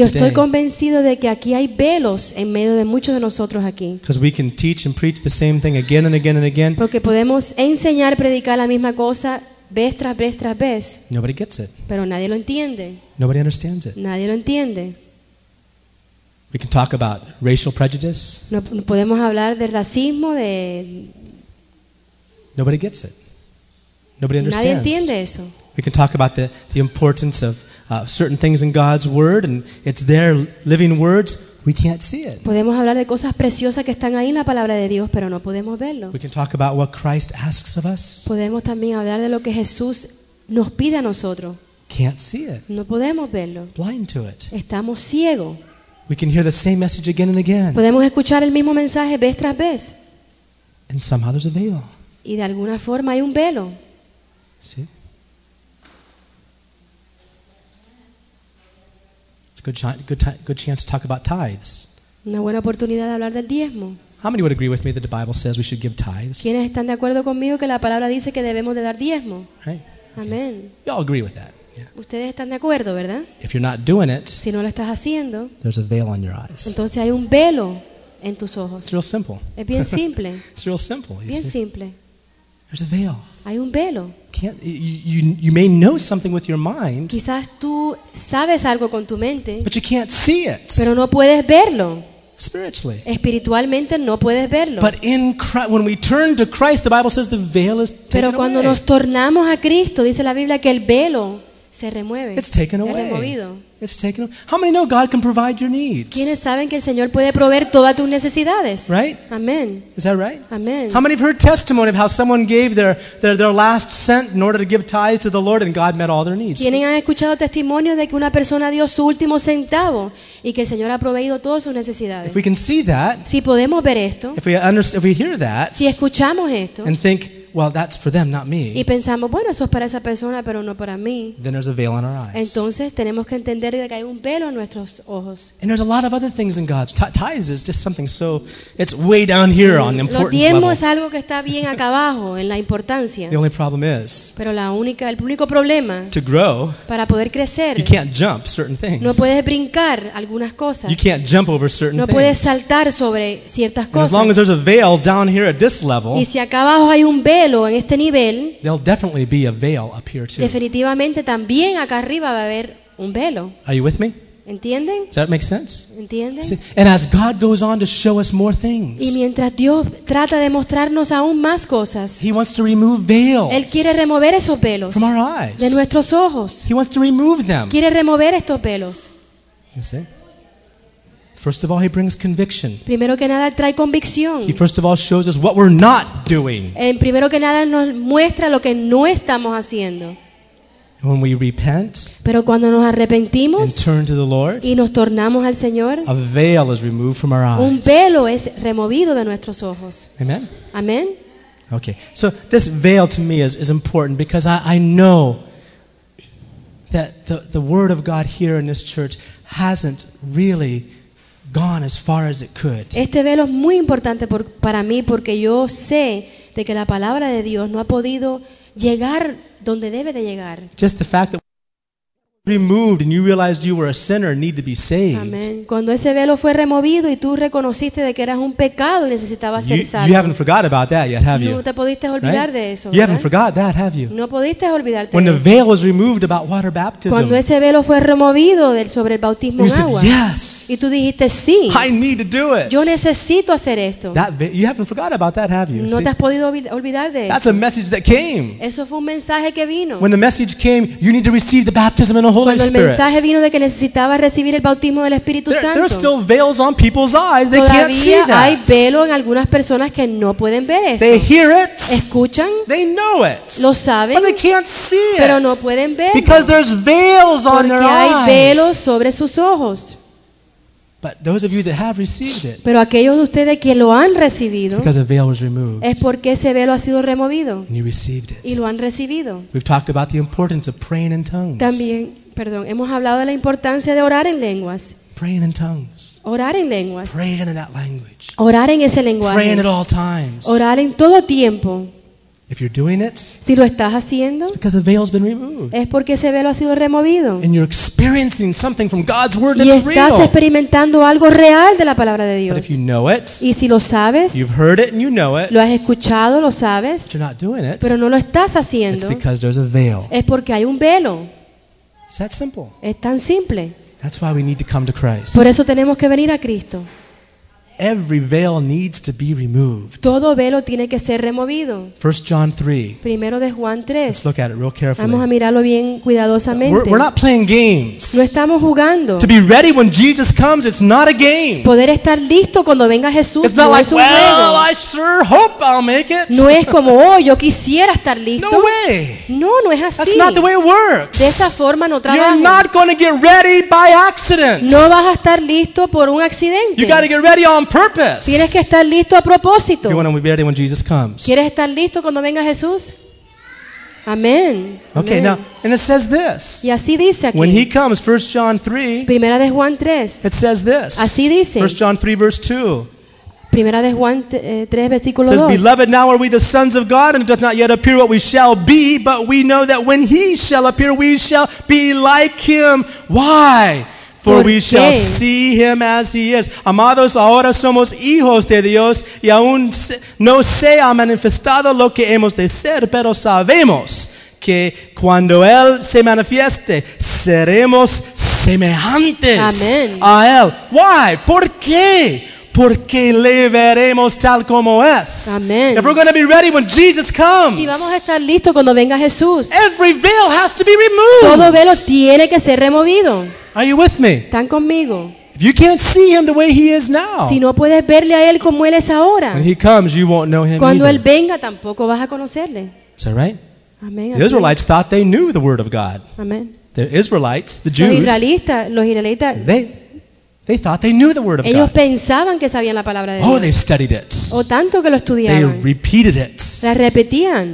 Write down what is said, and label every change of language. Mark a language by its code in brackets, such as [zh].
[es] Y estoy convencido de que aquí hay velos en medio de muchos de nosotros aquí. [en] Because we can teach and preach the same thing again and again and again. [es] Porque podemos enseñar, predicar la misma cosa vez tras vez tras vez. [en] Nobody gets it. [es] Pero nadie lo entiende. [en] Nobody understands it. [es] Nadie lo entiende. [en] We can talk about racial prejudice. [es] No podemos hablar del racismo de. [en] Nobody gets it. Nobody understands. [es] Nadie entiende eso. [en] We can talk about the importance of certain things in God's word and it's their living words. We can't see it. [es] Podemos hablar de cosas preciosas que están ahí en la palabra de Dios, pero no podemos verlo. [en] We can talk about what Christ asks of us. [es] Podemos también hablar de lo que Jesús nos pide a nosotros. [en] Can't see it. [es] No podemos verlo. [en] Blind to it. [es] Estamos ciegos. [en] We can hear the same message again and again. [es] Podemos escuchar el mismo mensaje vez tras vez. [en] And somehow there's a veil. [es] Y de alguna forma hay un velo. Sí. [en] It's a good chance to talk about tithes. [es] Una buena oportunidad de hablar del diezmo. [en] How many would agree with me that the Bible says we should give tithes? [es] ¿Quiénes están de acuerdo conmigo que la palabra dice que debemos de dar diezmo? [en] Amen. You all agree with that. Yeah. [es] Ustedes están de acuerdo, ¿verdad? [en] If you're not doing it, [es] si no lo estás haciendo, [en] there's a veil on your eyes. [es] Entonces hay un velo en tus ojos. [en] It's real simple. [es] Es bien simple. [en] It's real simple. [es] Bien simple. [en] There's a veil. [es] Hay un velo. [en] You may know something with your mind. [es] Quizás tú sabes algo con tu mente. [en] But you can't see it. [es] Pero no puedes verlo. [en] Spiritually. [es] Espiritualmente no puedes verlo. [en] But in Christ, when we turn to Christ, the Bible says the veil is taken away. [es] Pero cuando nos tornamos a Cristo, dice la Biblia que el velo se remueve. [en] It's taken away. [es] Es removido. [en] It's taken away. How many know God can provide your needs? [es] ¿Quiénes saben que el Señor puede proveer todas tus necesidades? [en] Right? [es] Amen. [en] Is that right? [es] Amen. [en] How many have heard testimony of how someone gave their last cent in order to give tithes to the Lord and God met all their needs? [es] ¿Quiénes han escuchado testimonio de que una persona dio su último centavo y que el Señor ha proveído todas sus necesidades? [en] If we can see that, [es] si podemos ver esto, [en] if we hear that, [es] si escuchamos esto, [en] and think, well, that's for them, not me. [es] Y pensamos, bueno, eso es para esa persona, pero no para mí. [en] Then there's a veil on our eyes. [es] Entonces tenemos que entender que hay un velo en nuestros ojos. [en] And there's a lot of other things in God's tithes is just something so it's way down here on the importance level. [es] Los diezmos es algo que está bien acá abajo en la importancia. [en] The only problem is. [es] Pero el único problema. [en] To grow. [es] Para poder crecer. [en] You can't jump certain things. [es] No puedes brincar algunas cosas. [en] You can't jump over certain things. [es] No puedes saltar sobre ciertas cosas. [en] As long as there's a veil down here at this level. [es] Y si acá abajo hay un velo. En este nivel, [en] there'll definitely be a veil up here too. [es] Definitivamente también acá arriba va a haber un velo. [en] Are you with me? [es] ¿Entienden? [en] Does that make sense? [es] ¿Entienden? [en] See, and as God goes on to show us more things, [es] y mientras Dios trata de mostrarnos aún más cosas, [en] He wants to remove veils. [es] Él quiere remover esos velos [en] from our eyes. [es] De nuestros ojos. [en] He wants to remove them. [es] Quiere remover estos velos. [en] You see? First of all, he brings conviction. [es] Primero que nada, trae convicción. [en] He first of all shows us what we're not doing. [es] En primero que nada, nos muestra lo que no estamos haciendo. [en] When we repent, [es] pero cuando nos arrepentimos, [en] and turn to the Lord, [es] y nos tornamos al Señor, [en] a veil is removed from our eyes. [es] Un velo es removido de nuestros ojos. [en] Amen. [es] Amen. [en] Okay. So this veil to me is important because I know that the word of God here in this church hasn't really gone as far as it could. [es] Este velo es muy importante para mí porque yo sé de que la palabra de Dios no ha podido llegar donde debe de llegar. [en] Just the fact that removed and you realized you were a sinner and need to be saved. [es] Amen. Cuando ese velo fue removido y tú reconociste de que eras un pecado y necesitabas ser salvo. [en] You haven't forgot about that yet, have you? [es] No te pudiste olvidar [en] right? [es] de eso. [en] You [es] ¿verdad? [en] Haven't forgot that, have you? [es] No pudiste olvidarte. [en] When [es] de [en] the [es] eso. [en] Veil was removed about water baptism. [es] Cuando ese velo fue removido del sobre el bautismo [en] you [es] en agua. [en] Said, yes. [es] Y tú dijiste sí. [en] I need to do it. [es] Yo necesito hacer esto. [en] That you haven't forgot about that, have you? [es] No te has podido olvidar de. [en] That's a message that came. [es] Eso fue un mensaje que vino. [en] When the message came, you need to receive the baptism in the Holy [es] Cuando el mensaje vino de que necesitaba recibir el bautismo del Espíritu Santo. [en] There are still veils on people's eyes. They [es] todavía [en] can't see that. [es] Hay velo en algunas personas que no pueden ver esto. [en] They hear it. [es] Escuchan. [en] They know it. [es] Lo saben. [en] But they can't see it. [es] Pero no pueden verlo. [en] Because there's veils on their eyes. [es] Porque hay velos sobre sus ojos. [en] But those of you that have received it. [es] Pero aquellos de ustedes que lo han recibido. [en] Because a veil was removed. [es] Es porque ese velo ha sido removido. [en] And you received it. [es] Y lo han recibido. [en] We've talked about the importance of praying in tongues. [es] También. Perdón, hemos hablado de la importancia de orar en lenguas. [en] Praying in tongues. [es] Orar en lenguas. [en] Praying in that language. [es] Orar en ese lenguaje. [en] Praying at all times. [es] Orar en todo tiempo. [en] If you're doing it, [es] si lo estás haciendo, [en] it's because the veil's been removed. [es] Es porque ese velo ha sido removido. [en] And you're experiencing something from God's word that's real. [es] Y estás experimentando algo real de la palabra de Dios. [en] But if you know it, [es] y si lo sabes, [en] you've heard it and you know it, [es] lo has escuchado, lo sabes, [en] but you're not doing it, [es] pero no lo estás haciendo, [en] it's because there's a veil. [es] Es porque hay un velo. [en] It's that simple. [es] Es tan simple. [en] That's why we need to come to Christ. [es] Por eso tenemos que venir a Cristo. [en] Every veil needs to be removed. [es] Todo velo tiene que ser removido. [en] 1 John 3. [es] Primero de Juan 3. [en] Let's look at it real carefully. [es] Vamos a mirarlo bien cuidadosamente. [en] We're not playing games. [es] No estamos jugando. [en] To be ready when Jesus comes, it's not a game. [es] Poder estar listo cuando venga Jesús no es un juego. [en] Well, I sure hope I'll make it. [es] No es como, yo quisiera estar listo. [en] No way. [es] No, no es así. [en] That's not the way it works. [es] De esa forma no trabaja. [en] You're not going to get ready by accident. [es] No vas a estar listo por un accidente. [en] You got to get ready on purpose. [es] Tienes que estar listo a propósito. [en] You want to be ready when Jesus comes. [es] ¿Quieres estar listo cuando venga Jesús? Amen. [en] Okay, [es] amen. [en] Now, and it says this. [es] Y así dice aquí. [en] When he comes, 1 John 3. [es] Primera de Juan 3. [en] It says this. [es] Así dice. [en] 1 John 3 verse 2. [es] Primera de Juan 3 versículo 2. [en] It says, "Beloved, now are we the sons of God, and it doth not yet appear what we shall be, but we know that when he shall appear, we shall be like him." Why? For we shall see him as he is. [es] Amados, ahora somos hijos de Dios y aún no se ha manifestado lo que hemos de ser, pero sabemos que cuando él se manifieste, seremos semejantes a él. [en] Why? [es] ¿Por qué? Porque le veremos tal como es. [en] Amen. If we're going to be ready when Jesus comes. [es] Si vamos a estar listos cuando venga Jesús. [en] Every veil has to be removed. [es] Todo velo tiene que ser removido. [en] Are you with me? [es] ¿Están conmigo? [en] If you can't see him the way he is now. [es] Si no puedes verle a él como él es ahora. [en] When he comes, you won't know him. [es] Cuando [en] either. [es] Él venga, tampoco vas a conocerle. [en] Is that right? [es] Amen. [en] The Israelites thought they knew the word of God. [es] Amen. [en] The Israelites, the Jews. [es] Los israelitas. [en] They thought they knew the word of [es] Ellos [en] God. [es] Pensaban que sabían la palabra de oh, Dios. [en] They studied it. [es] O tanto que lo estudiaban. [en] They repeated it. [es] La repetían.